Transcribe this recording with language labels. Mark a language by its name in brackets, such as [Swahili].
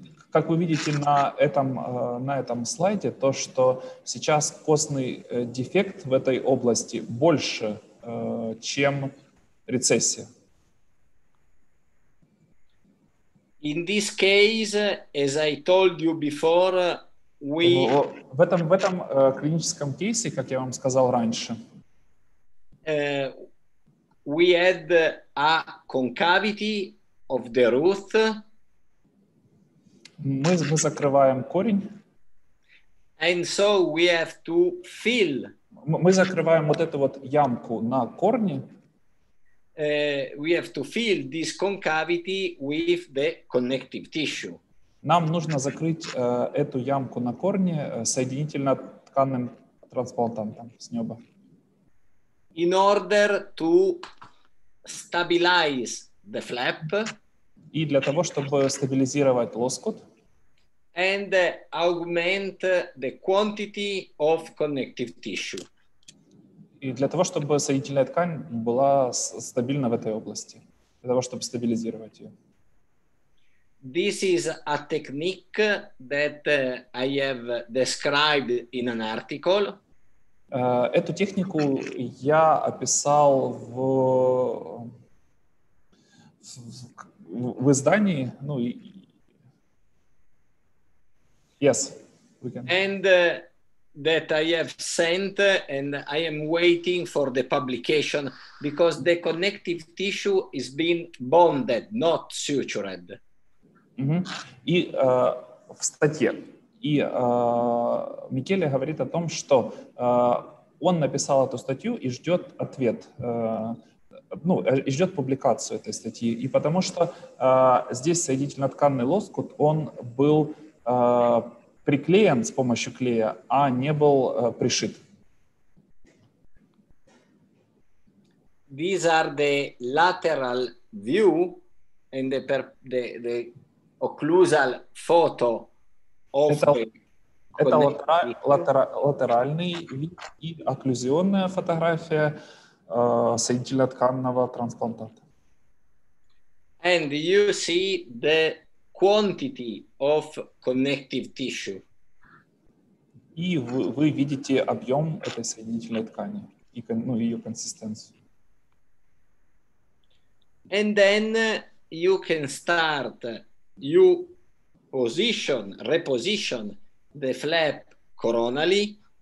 [Russian] Как вы видите на этом слайде, то, что сейчас костный дефект в этой области больше, чем рецессия. [English] In this case, as I told you before, we... [Russian] В этом клиническом кейсе, как я вам сказал раньше, [English] we had a concavity of the root. [Russian] Мы закрываем корень. [English] And so we have to fill. [Russian] Мы закрываем вот эту вот ямку на корне. [English] We have to fill this concavity with the connective tissue. [Russian] Нам нужно закрыть эту ямку на корне соединительно-тканным трансплантантом с неба. [English] in order to stabilize the flap. [Russian] И для того, чтобы стабилизировать лоскут. [English] And augment the quantity of connective tissue. [Russian] И для того, чтобы соединительная ткань была стабильна в этой области, для того, чтобы стабилизировать ее. [English] This is a technique that I have described in an article. [Russian] Эту технику я описал в издании. [English] Ну, yes, we can. And that I have sent and I am waiting for the publication because the connective tissue is being bonded, not sutured. [Russian] Mm-hmm. И в статье. И Микеле говорит о том, что он написал эту статью и ждет ответ, ну, и ждет публикацию этой статьи. И потому что здесь соединительно-тканный лоскут, он был приклеен с помощью клея, а не был пришит. [English] These are the lateral view and the occlusal photo of the... [Russian] Это латеральный вид и окклюзионная фотография соединительно-тканного трансплантата. [English] And you see the quantity of connective tissue. [Russian] И вы видите объем этой соединительной ткани и, ну, ее консистенцию. [English] And then you can start, you position, reposition the flap coronally.